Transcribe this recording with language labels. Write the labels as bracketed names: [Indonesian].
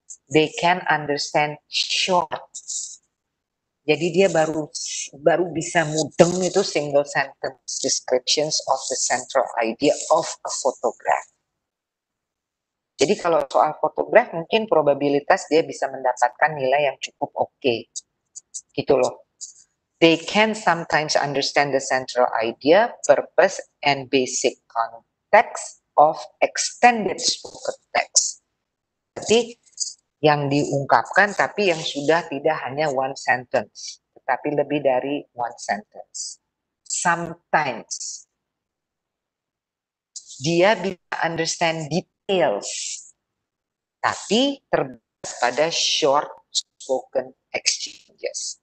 [English] They can understand short. [Indonesian] Jadi dia baru bisa mudeng itu [English] single sentence descriptions of the central idea of a photograph. [Indonesian] Jadi kalau soal fotograf, mungkin probabilitas dia bisa mendapatkan nilai yang cukup oke. Gitu loh. [English] They can sometimes understand the central idea, purpose, and basic context of extended spoken text. [Indonesian] berarti yang diungkapkan tapi yang sudah tidak hanya [English] one sentence, [Indonesian] tapi lebih dari one sentence. [English] Sometimes [Indonesian] dia bisa [English] understand details, [Indonesian] tapi terbatas pada [English] short spoken exchanges.